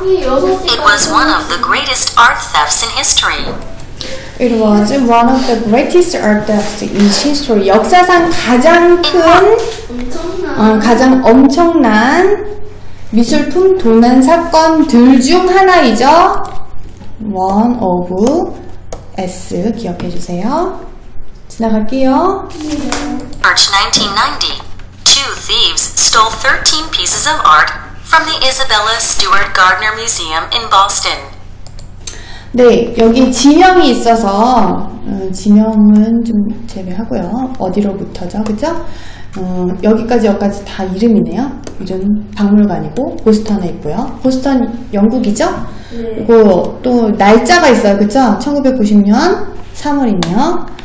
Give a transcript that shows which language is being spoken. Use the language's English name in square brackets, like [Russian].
[English] It was one of the greatest art thefts in history. It was one of the greatest art thefts in history. [Korean] 역사상 가장 큰, 가장 엄청난 미술품 도난 사건 둘 중 하나이죠. [English] One of S. [Korean] 기억해주세요. 지나갈게요. [English] March 1990, two thieves stole 13 pieces of art from the Isabella Stewart Gardner Museum in Boston. [Korean] 네, 여기 지명이 있어서 지명은 좀 제외하고요. 어디로부터죠, 그죠? 여기까지 다 이름이네요. 이름 박물관이고 보스턴에 있고요. 보스턴 영국이죠? 네. 그리고 또 날짜가 있어요, 그죠? 1990년 3월이네요.